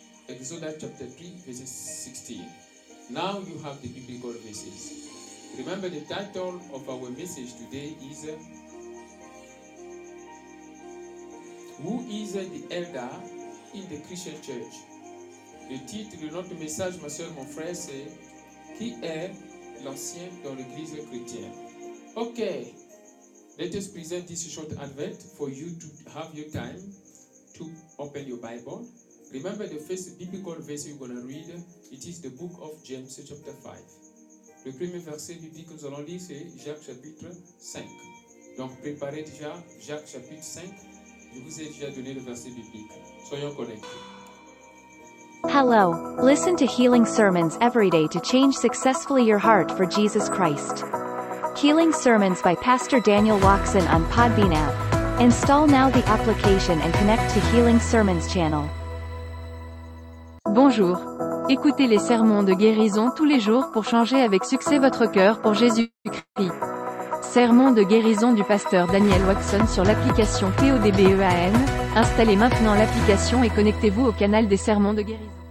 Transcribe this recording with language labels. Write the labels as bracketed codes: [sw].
[en] Exodus chapter 3, verse 16. Now you have the biblical verses. Remember, the title of our message today is Who is the Elder in the Christian Church? [fr] Le titre de notre message, ma soeur, mon frère, c'est Qui est l'ancien dans l'église chrétienne? [en] Okay, let us present this short advent for you to have your time to open your Bible. Remember the first biblical verse you're going to read, it is the book of James, chapter 5. [fr] Le premier verset biblique que nous allons lire, c'est Jacques, chapitre 5. Donc, préparez déjà Jacques, chapitre 5. Je vous ai déjà donné le verset biblique. Soyons connectés. [en] Hello. Listen to Healing Sermons every day to change successfully your heart for Jesus Christ. Healing Sermons by Pastor Daniel Waxon on Podbean app. Install now the application and connect to Healing Sermons channel. [fr] Bonjour. Écoutez les sermons de guérison tous les jours pour changer avec succès votre cœur pour Jésus-Christ. Sermons de guérison du pasteur Daniel Waxon sur l'application PODBEAN. Installez maintenant l'application et connectez-vous au canal des sermons de guérison.